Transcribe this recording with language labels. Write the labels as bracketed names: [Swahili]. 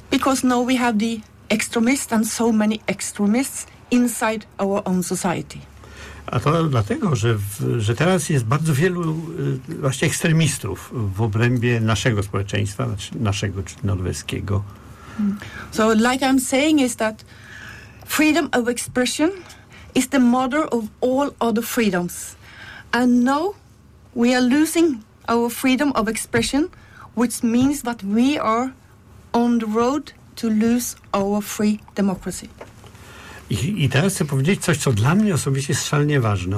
[English] Because now we have the extremists and so many extremists inside our own society. [Polish] A to dlatego, że teraz jest bardzo wielu właśnie ekstremistów w obrębie naszego społeczeństwa, naszego czy norweskiego. [English] So like I'm saying is that freedom of expression is the mother of all other freedoms. And now we are losing our freedom of expression, which means that we are on the road to lose our free democracy. [Polish] I teraz chcę powiedzieć coś, co dla mnie osobiście jest szalenie ważne.